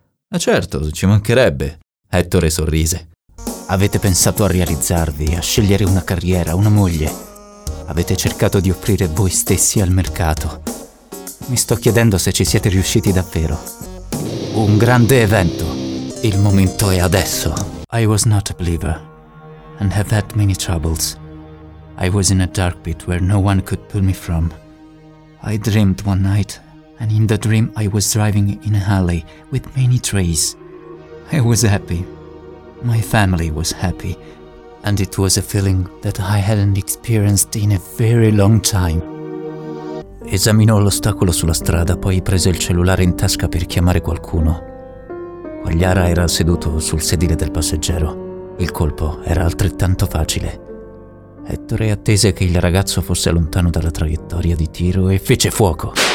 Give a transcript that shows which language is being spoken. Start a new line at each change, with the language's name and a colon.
Italian: Ma certo, ci mancherebbe. Ettore sorrise. Avete pensato a realizzarvi, a scegliere una carriera, una moglie. Avete cercato di offrire voi stessi al mercato. Mi sto chiedendo se ci siete riusciti davvero. Un grande evento. Il momento è adesso.
English: I was not a believer, and have had many troubles. I was in a dark pit where no one could pull me from. I dreamed one night. And in the dream I was driving in a alley with many trees. I was happy. My family was happy. And it was a feeling that I hadn't experienced in a very long time.
Italian: Esaminò l'ostacolo sulla strada, poi prese il cellulare in tasca per chiamare qualcuno. Quagliara era seduto sul sedile del passeggero. Il colpo era altrettanto facile. Ettore attese che il ragazzo fosse lontano dalla traiettoria di tiro e fece fuoco.